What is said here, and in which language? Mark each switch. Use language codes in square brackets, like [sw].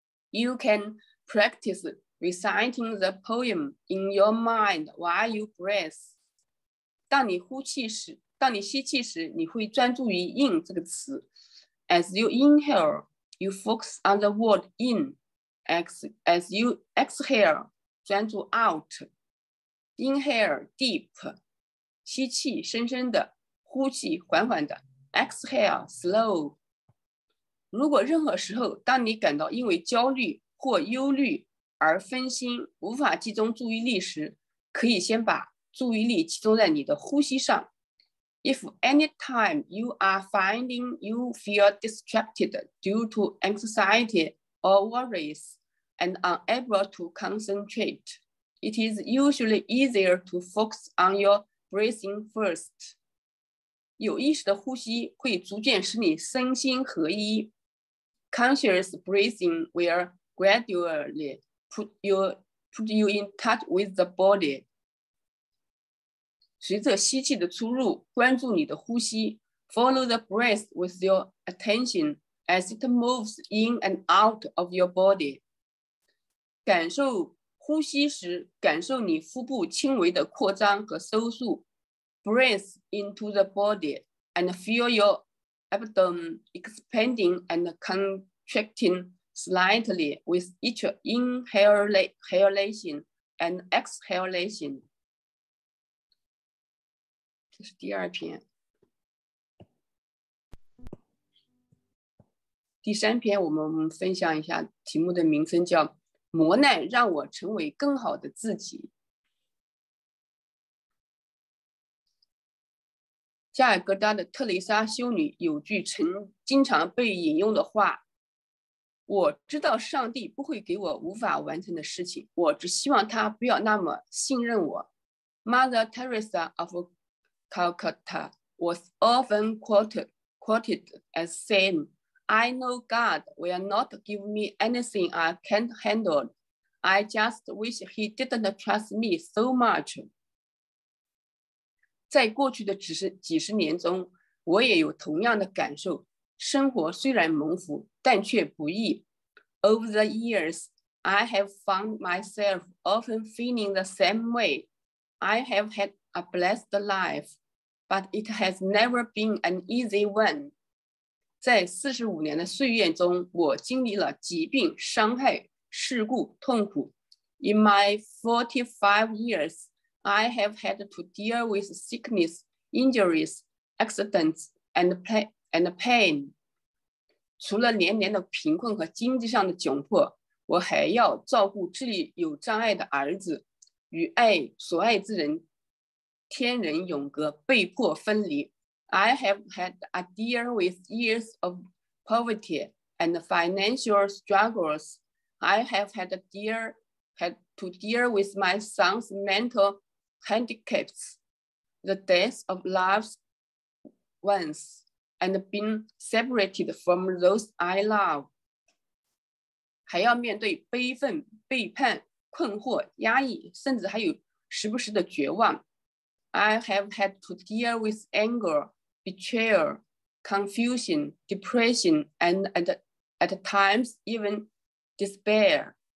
[en] You can practice reciting the poem in your mind while you breathe。 [zh] 当你吸气时，你会专注于 in 这个词。 [en] As you inhale, you focus on the word in. As you exhale, [zh] 专注 [en] out. Inhale deep, [zh] 吸气深深的，呼气缓缓的。 [en] Exhale slow. [zh] 如果任何时候当你感到因为焦虑或忧虑而分心，无法集中注意力时，可以先把注意力集中在你的呼吸上。 [en] If any time you are finding you feel distracted due to anxiety or worries and unable to concentrate, it is usually easier to focus on your breathing first. [zh] 有意识的呼吸会逐渐使你身心合一。 [en] Conscious breathing will gradually put you in touch with the body. [zh] 随着吸气的出入，关注你的呼吸。 [en] Follow the breath with your attention as it moves in and out of your body. [zh] 感受呼吸时，感受你腹部轻微的扩张和收缩。 [en] Breathe into the body and feel your abdomen expanding and contracting slightly with each inhalation and exhalation. [zh] 这是第二篇，第三篇我们分享一下，题目的名称叫《磨难让我成为更好的自己》。加尔各答的特蕾莎修女有句经常被引用的话：“我知道上帝不会给我无法完成的事情，我只希望他不要那么信任我。” [en] Mother Teresa of Calcutta was often quoted as saying, I know God will not give me anything I can't handle. I just wish he didn't trust me so much. [zh] 在过去的几十年中，我也有同样的感受。生活虽然蒙福，但却不易。 [en] Over the years, I have found myself often feeling the same way. I have had a blessed life. But it has never been an easy one. [zh] 在45年的岁月中，我经历了疾病、伤害、事故、痛苦。 [en] In my 45 years, I have had to deal with sickness, injuries, accidents, and pain. [zh] 除了年年的贫困和经济上的窘迫，我还要照顾智力有障碍的儿子，与爱所爱之人天人永隔，被迫分离。 [en] I have had a deal with years of poverty and financial struggles. I have had to deal with my son's mental handicaps, the death of loved ones, and being separated from those I love. [zh] 还要面对悲愤、背叛、困惑、压抑，甚至还有时不时的绝望。 [en] I have had to deal with anger, betrayal, confusion, depression, and at times even despair.